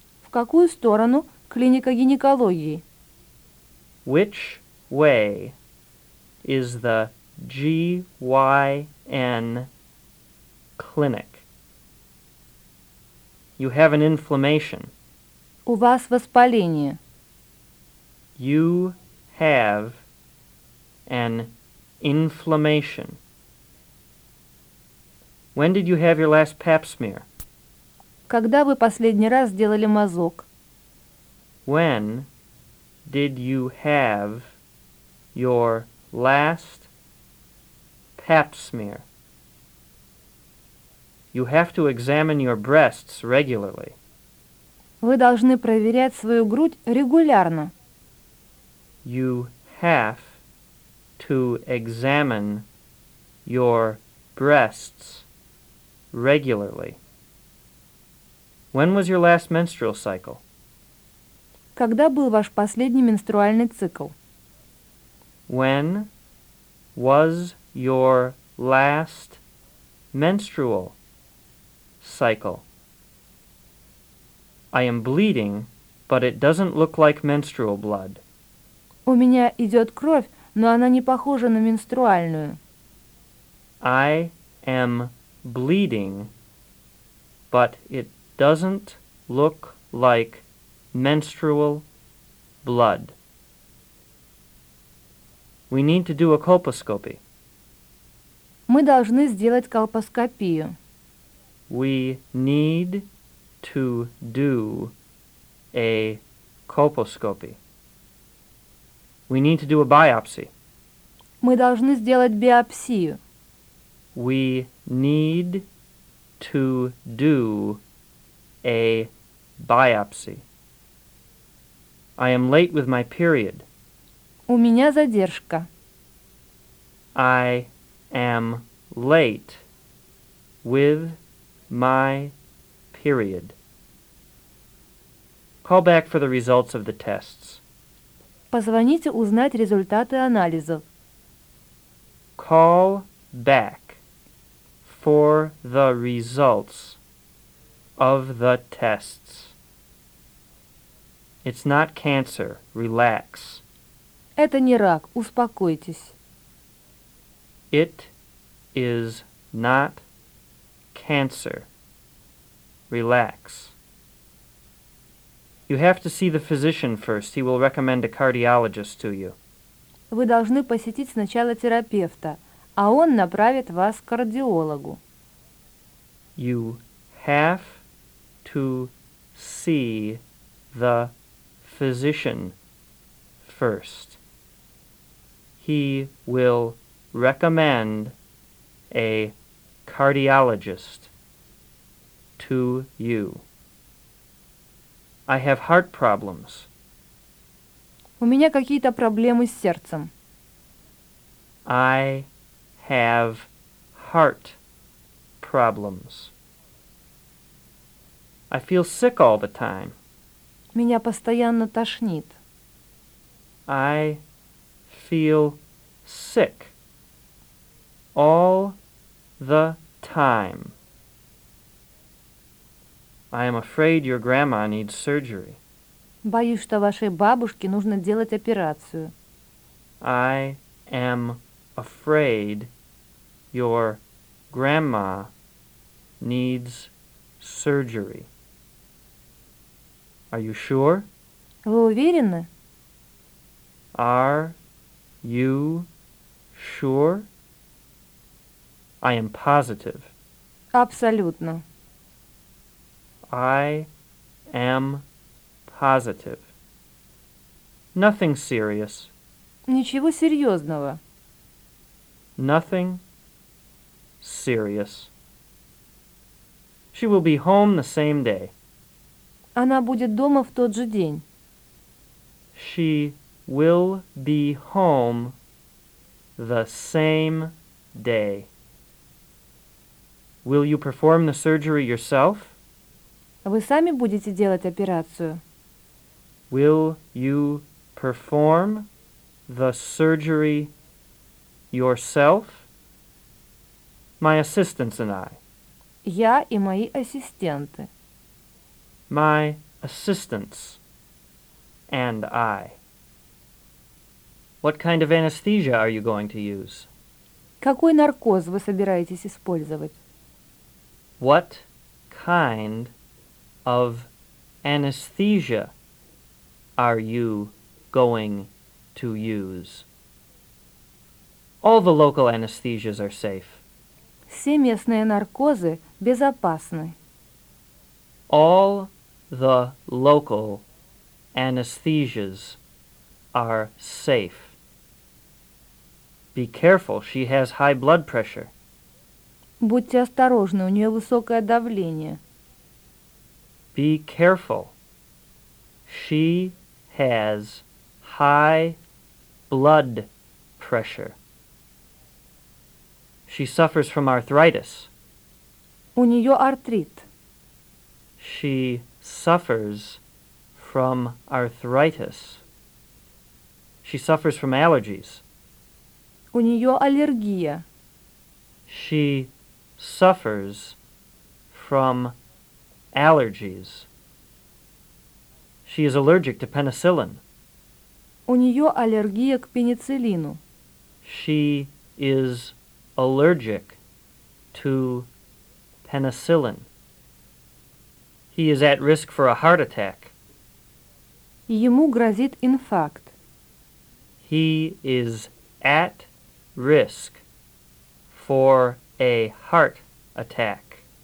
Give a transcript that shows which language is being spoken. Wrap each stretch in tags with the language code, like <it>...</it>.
<ru>В какую сторону клиника гинекологии?</ru> <en>Which way is the GYN clinic? You have an inflammation.</en> <ru>У вас воспаление.</ru> <en>You have an inflammation. When did you have your last pap smear?</en> <ru>Когда вы последний раз сделали мазок?</ru> <en>When did you have your last pap smear? You have to examine your breasts regularly.</en> <ru>Вы должны проверять свою грудь регулярно.</ru> <en>You have to examine your breasts regularly. When was your last menstrual cycle?</en> <ru>Когда был ваш последний менструальный цикл?</ru> <en>When was your last menstrual cycle? I am bleeding, but it doesn't look like menstrual blood.</en> <ru>У меня идет кровь, но она не похожа на менструальную.</ru> <en>I am bleeding, but it doesn't look like menstrual blood. We need to do a colposcopy.</en> <ru>Мы должны сделать колпоскопию.</ru> <en>We need to do a colposcopy. We need to do a biopsy.</en> <ru>Мы должны сделать биопсию.</ru> <en>We need to do a biopsy. I am late with my period.</en> <ru>У меня задержка.</ru> <en>I am late with my period. Call back for the results of the tests.</en> <ru>Позвоните узнать результаты анализов.</ru> <en>Call back for the results of the tests. It's not cancer. Relax.</en> <ru>Это не рак. Успокойтесь.</ru> <en>It is not cancer. Relax. You have to see the physician first. He will recommend a cardiologist to you.</en> <ru>Вы должны посетить сначала терапевта. а он направит вас к кардиологу.</ru> <en>You have to see the physician first. He will recommend a cardiologist to you. I have heart problems.</en> <ru>У меня какие-то проблемы с сердцем.</ru> <en>I have heart problems. I feel sick all the time.</en> <ru>Меня постоянно тошнит.</ru> <en>I feel sick all the time. I am afraid your grandma needs surgery.</en> <ru>Боюсь, что вашей бабушке нужно делать операцию.</ru> <en>I am afraid your grandma needs surgery. Are you sure?</en> <ru>Вы уверены?</ru> <en>Are you sure? I am positive.</en> <ru>Абсолютно.</ru> <en>I am positive. Nothing serious.</en> <ru>Ничего серьезного.</ru> <en>Nothing serious. She will be home the same day.</en> <ru>Она будет дома в тот же день.</ru> <en>She will be home the same day. Will you perform the surgery yourself?</en> <ru>Вы сами будете делать операцию?</ru> <en>Will you perform the surgery yourself? My assistants and I.</en> <ru>Я и мои ассистенты.</ru> <en>My assistants and I. What kind of anesthesia are you going to use?</en> <ru>Какой наркоз вы собираетесь использовать?</ru> <en>What kind of anesthesia are you going to use? All the local anesthesias are safe.</en> <ru>Все местные наркозы безопасны.</ru> <en>All the local anesthesias are safe. Be careful, she has high blood pressure.</en> <ru>Будьте осторожны, у нее высокое давление.</ru> <en>Be careful. She has high blood pressure. She suffers from arthritis.</en> <ru>У нее артрит.</ru> <en>She suffers from arthritis. She suffers from allergies.</en> <ru>У нее аллергия.</ru> <en>She suffers from allergies. She is allergic to penicillin.</en> <ru>У нее аллергия к пенициллину.</ru> <en>She is allergic to penicillin. He is at risk for a heart attack.</en> <ru>Ему грозит инфаркт.</ru> <en>He is at risk for a heart attack.</en>